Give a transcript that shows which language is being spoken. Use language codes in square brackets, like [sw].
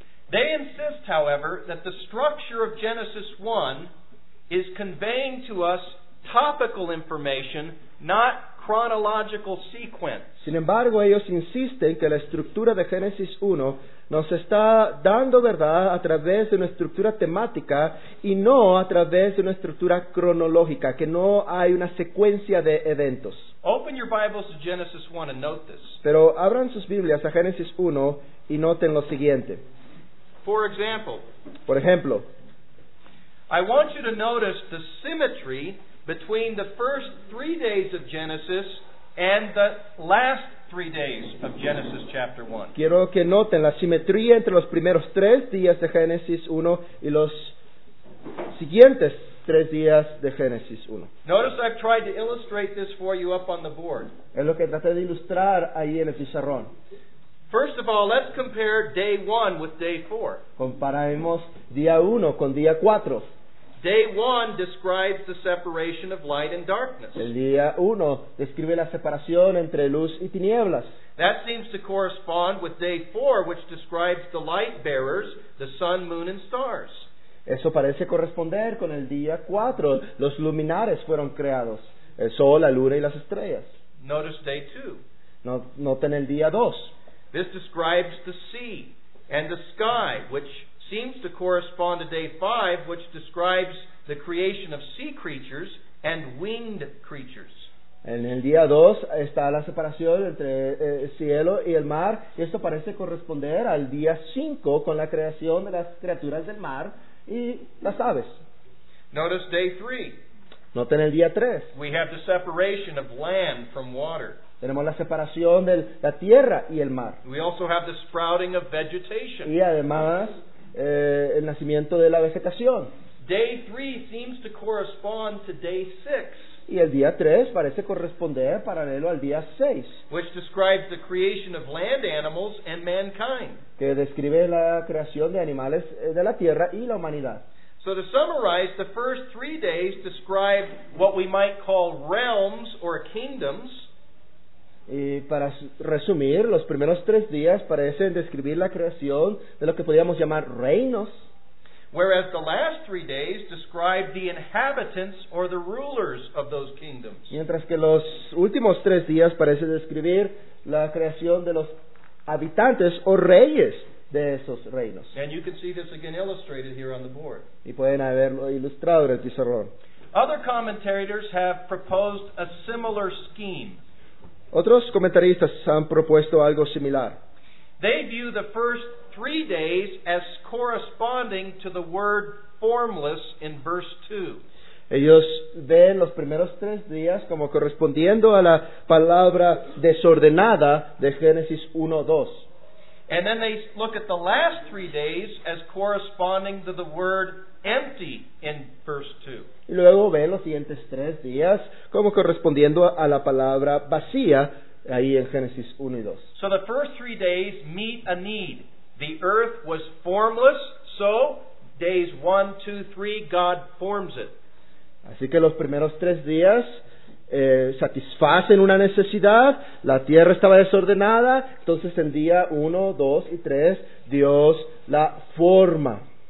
[en] They insist, however, that the structure of Genesis 1 is conveying to us topical information, not chronological sequence. [es] Sin embargo, ellos insisten que la estructura de Génesis 1 nos está dando verdad a través de una estructura temática y no a través de una estructura cronológica, que no hay una secuencia de eventos. [en] Open your Bibles to Genesis 1 and note this. [es] Pero abran sus Biblias a Génesis 1 y noten lo siguiente. [en] For example, [es] por ejemplo, [en] I want you to notice the symmetry between the first 3 days of Genesis and the last 3 days of Genesis chapter 1. [es] Quiero que noten la simetría entre los primeros 3 días de Génesis 1 y los siguientes 3 días de Génesis 1. [en] Notice I've tried to illustrate this for you up on the board. [es] Es lo que traté de ilustrar ahí en el pizarrón. [en] First of all, let's compare day 1 with day 4. [es] Comparemos día 1 con día 4. [en] Day 1 describes the separation of light and darkness. [es] El día 1 describe la separación entre luz y tinieblas. [en] That seems to correspond with day 4, which describes the light bearers, the sun, moon, and stars. [es] Eso parece corresponder con el día 4. Los luminares fueron creados, el sol, la luna y las estrellas. [en] Notice day 2. [es] Noten el día 2. [en] This describes the sea and the sky, which seems to correspond to day 5, which describes the creation of sea creatures and winged creatures. [es] En el día 2 está la separación entre el cielo y el mar, y esto parece corresponder al día 5 con la creación de las criaturas del mar y las aves. [en] Notice day 3. [es] Noten el día 3. [en] We have the separation of land from water. [es] Tenemos la separación de la tierra y el mar. [en] We also have the sprouting of vegetation. [es] Y además el nacimiento de la vegetación. [en] Day 3 seems to correspond to day 6. [es] Y el día 3 parece corresponder paralelo al día 6. [en] Which describes the creation of land animals and mankind. [es] Que describe la creación de animales de la tierra y la humanidad. [en] So to summarize, the first 3 days describe what we might call realms or kingdoms. [es] Y para resumir, los primeros 3 días parecen describir la creación de lo que podríamos llamar reinos. [en] Whereas the last 3 days describe the inhabitants or the rulers of those kingdoms. [es] Mientras que los últimos 3 días parecen describir la creación de los habitantes o reyes de esos reinos. [en] And you can see this again illustrated here on the board. [es] Y pueden haberlo ilustrado en el pizarrón. [en] Other commentators have proposed a similar scheme. [es] Otros comentaristas han propuesto algo similar. [en] They view the first 3 days as corresponding to the word formless in verse 2. [es] Ellos ven los primeros 3 días como correspondiendo a la palabra desordenada de Génesis 1:2. [en] And then they look at the last 3 days as corresponding to the word empty in verse 2. [es] Y luego ven los siguientes 3 días como correspondiendo a la palabra vacía ahí en Génesis 1 y 2. [en] So the first 3 days meet a need. The earth was formless, so days 1, 2, 3, God forms it. [es] Así que los primeros 3 días satisfacen una necesidad. La tierra estaba desordenada, entonces en día 1, 2, y 3 Dios la forma.